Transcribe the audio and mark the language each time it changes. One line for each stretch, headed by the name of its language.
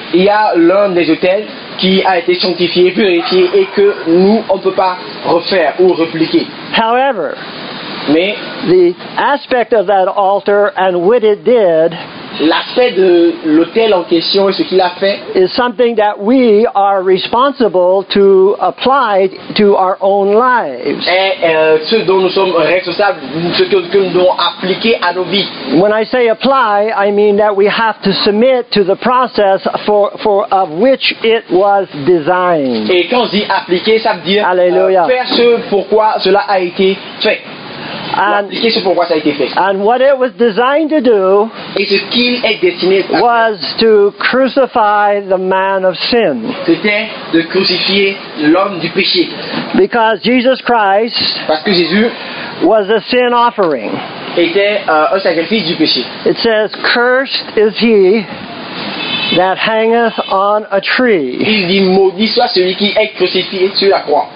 French: Il y a l'un des autels qui a été sanctifié, purifié, et que nous, on ne peut pas refaire ou répliquer.
English: However,
French: mais
English: the aspect of that altar and what it did,
French: l'aspect de l'autel en question et ce qu'il a fait,
English: is something that we are responsible to apply to our own lives.
French: Et ce dont nous sommes responsables, ce que nous devons appliquer à nos vies.
English: When I say apply, I mean that we have to submit to the process for of which it was designed.
French: Et quand je dis appliquer, ça veut dire alléluia, faire ce pourquoi cela a été fait.
English: And what it was designed to do,
French: et ce qu'il est destiné à faire,
English: was to crucify the man of sin.
French: C'était de crucifier l'homme du péché.
English: Because Jesus Christ,
French: parce que Jésus,
English: was a sin offering.
French: Était un sacrifice du péché.
English: It says, cursed is he that hangeth on a tree.
French: Il dit, maudit soit celui qui est crucifié sur la croix.